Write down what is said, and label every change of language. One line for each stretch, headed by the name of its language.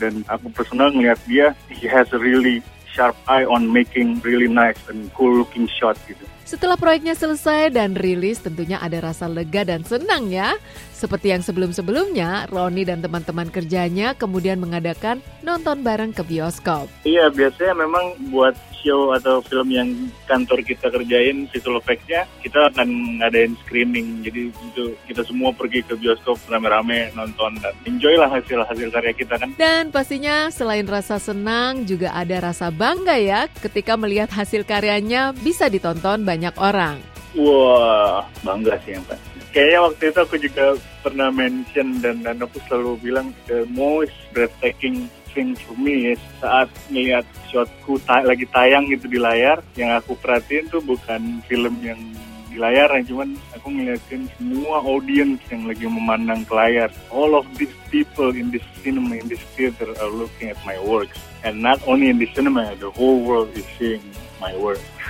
English: Dan aku personal ngeliat dia, he has really sharp eye on making really nice and cool looking shot gitu.
Indonesian: Setelah proyeknya selesai dan rilis, tentunya ada rasa lega dan senang ya. Seperti yang sebelum-sebelumnya, Roni dan teman-teman kerjanya kemudian mengadakan nonton bareng ke bioskop. Iya, biasanya memang buat show atau film yang kantor kita kerjain, visual effect-nya, kita akan ngadain screening. Jadi itu kita semua pergi ke bioskop rame-rame nonton dan enjoy lah hasil-hasil karya kita kan. Dan pastinya selain rasa senang, juga ada rasa bangga ya ketika melihat hasil karyanya bisa ditonton banyak orang. Wah, bangga sih yang pasti. Kayaknya waktu itu aku juga pernah mention dan aku selalu bilang the most breathtaking thing for me is saat melihat shotku lagi tayang gitu di layar, yang aku perhatiin tuh bukan film yang di layar, cuman aku ngeliatin semua audience yang lagi memandang ke layar.
English: All of these people in this cinema, in this theater are looking at my work. And not only in this cinema, the whole world is seeing my work.